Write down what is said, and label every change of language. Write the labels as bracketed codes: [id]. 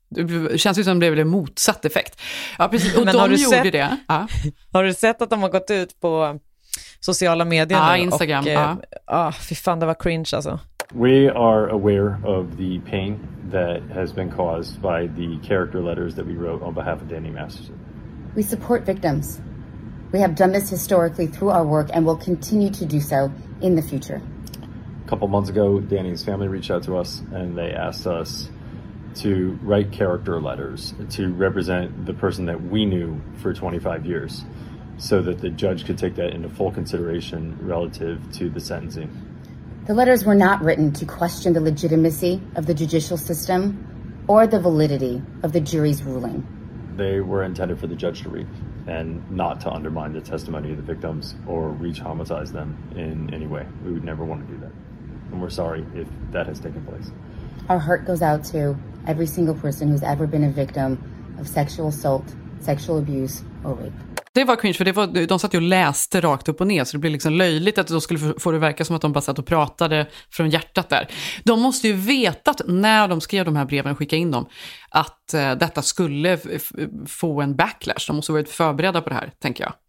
[sv] Det känns ju som det blev en motsatt effekt. Ja, precis. Och men de har du gjorde sett, det. Ja. Har du sett att de har gått ut på sociala medier? Ja, Instagram. Och, ja. Fy fan, det var cringe alltså. [en] We are aware of the pain that has been caused by the character letters that we wrote on behalf of Danny Masterson. We support victims. We have done this historically through our work and will continue to do so in the future. A couple months ago, Danny's family reached out to us and they asked us to write character letters to represent the person that we knew for 25 years so that the judge could take that into full consideration relative to the sentencing. The letters were not written to question the legitimacy of the judicial system or the validity of the jury's ruling. They were intended for the judge to read and not to undermine the testimony of the victims or re-traumatize them in any way. We would never want to do that. And we're sorry if that has taken place. Our heart goes out to every single person who's ever been a victim of sexual assault, sexual abuse or rape. [sv] Det var cringe, för det var, de satt ju och läste rakt upp och ner, så det blev liksom löjligt att de skulle få det verka som att de bara satt och pratade från hjärtat där. De måste ju veta att när de skrev de här breven och skickade in dem, att detta skulle få en backlash. De måste ha varit förberedda på det här, tänker jag.